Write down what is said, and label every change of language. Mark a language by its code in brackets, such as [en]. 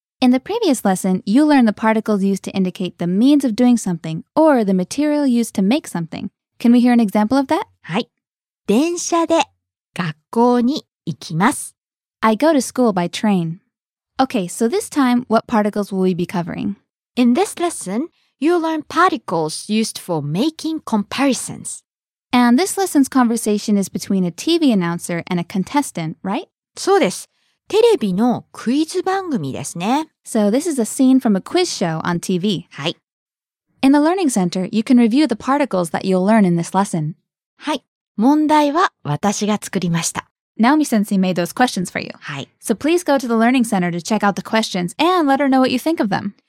[en] In the previous lesson, you learned the particles used to indicate the means of doing something or the material used to make something. Can we hear an example of that? [ja] はい、電車で学校に行きます。 [en] I go to school by train. Okay, so this time, what particles will we be covering? In this lesson, you'll learn particles used for making comparisons. And this lesson's conversation is between a TV announcer and a contestant, right? [ja] そうです。テレビのクイズ番組ですね。 [en] So this is a scene from a quiz show on TV. [ja] はい。 [en] In the Learning Center, you can review the particles that you'll learn in this lesson. [ja] はい。問題は私が作りました。 [en] Naomi-sensei made those questions for you. [ja] はい。 [en] So please go to the Learning Center to check out the questions and let her know what you think of them.